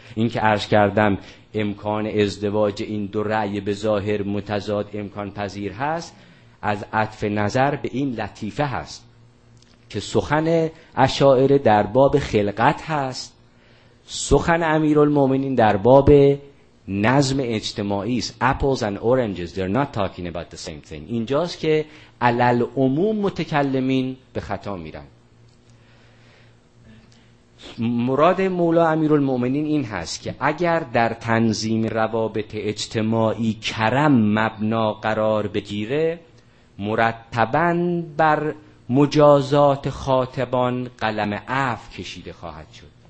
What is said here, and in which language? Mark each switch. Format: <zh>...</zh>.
<fa>این که عرض کردم امکان ازدواج این دو رأی به ظاهر متضاد امکان پذیر هست، از عطف نظر به این لطیفه هست که سخن اشاعره در باب خلقت هست، سخن امیرالمومنین در باب نظم اجتماعی است.</fa> <en>Apples and oranges, they're not talking about the same thing.</en> <fa>اینجاست که علل عموم متکلمین به خطا میرن. مراد مولا امیرالمومنین این هست که اگر در تنظیم روابط اجتماعی کرم مبنا قرار بگیره، مرتباً بر مجازات خاطبان قلم عفو کشیده خواهد شد.</fa>